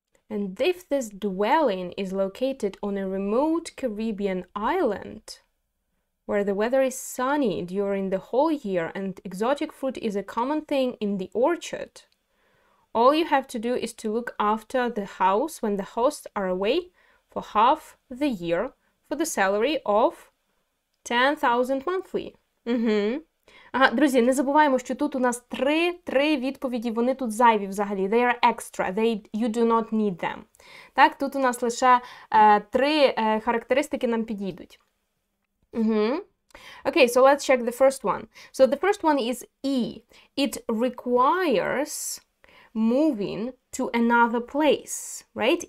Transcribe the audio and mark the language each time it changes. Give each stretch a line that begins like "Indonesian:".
English: And if this dwelling is located on a remote Caribbean island, where the weather is sunny during the whole year and exotic fruit is a common thing in the orchard, all you have to do is to look after the house when the hosts are away for half the year for the salary of 10,000 monthly. Mm-hmm.
Ukrainian: Ага, друзі, не забуваємо, що тут у нас три відповіді, вони тут зайві взагалі.
English: They are extra, you do not need them.
Ukrainian: Так, тут у нас лише три характеристики нам підійдуть.
English: Угу. Okay, so let's check the first one. So the first one is E. It requires moving to another place, right?